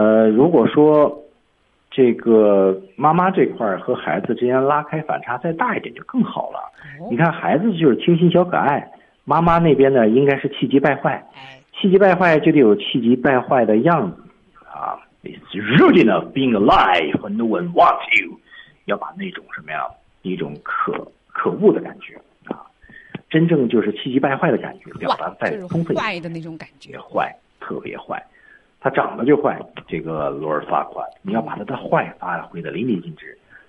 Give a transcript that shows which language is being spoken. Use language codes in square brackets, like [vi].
[zh] 如果说这个妈妈这块和孩子之间拉开反差再大一点就更好了。你看孩子就是清新小可爱，妈妈那边呢应该是气急败坏，气急败坏就得有气急败坏的样子啊。 [en] It's rude enough being alive when no one wants you. [zh] 要把那种什么呀，一种可恶的感觉啊，真正就是气急败坏的感觉，表达再充分。坏的那种感觉。坏，特别坏。他长得就坏，这个罗尔发夸，你要把他的坏发挥得淋漓尽致。